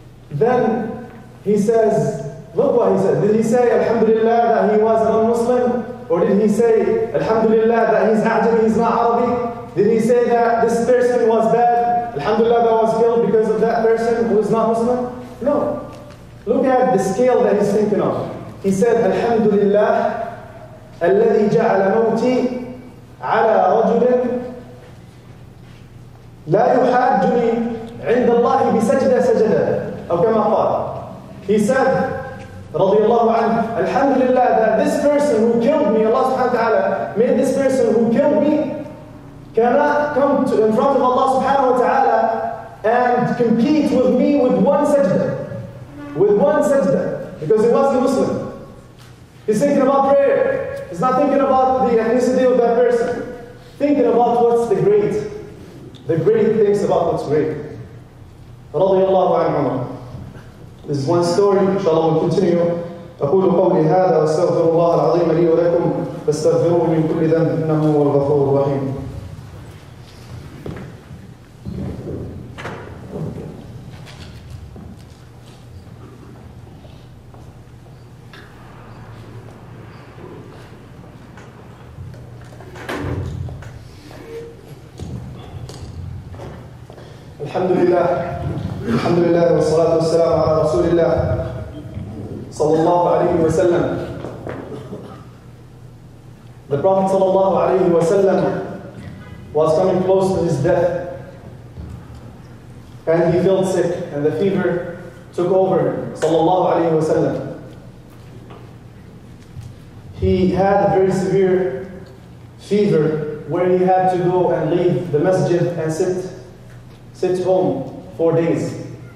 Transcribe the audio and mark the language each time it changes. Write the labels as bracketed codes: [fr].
[en] Then he says, look what he said. Did he say, "Alhamdulillah," that he was non-Muslim? Or did he say, "Alhamdulillah," that he's A'jami, he's not Arabi? Did he say that this person was bad? Alhamdulillah, that was killed because of that person who is not Muslim? No. Look at the scale that he's thinking of. He said, [ar] "Alhamdulillah, alladhi ja'ala mawti على رجل لا يحاجني عند الله بسجدة سجدة." أو كما قال. [en] He said, رضي الله عنه, "الحمد لله that this person who killed me, Allah سبحانه وتعالى made this person who killed me cannot come to, in front of Allah سبحانه وتعالى and compete with me with one سجدة." With one سجدة. Because he was a Muslim. He's thinking about prayer. He's not thinking about the ethnicity of that person. Thinking about what's the great things about what's great. Radiallahu anhu. This is one story. Inshallah, we'll continue. [ar] أقول قولي هذا واستغفر الله العظيم لي ولكم فاستغفروه من كل ذنب إنه هو الغفور الرحيم. الحمد لله والصلاة والسلام على رسول الله صلى الله عليه وسلم. [en] The Prophet صلى الله عليه وسلم was coming close to his death and he felt sick and the fever took over صلى الله عليه وسلم. He had a very severe fever where he had to go and leave the masjid and sit home 4 days.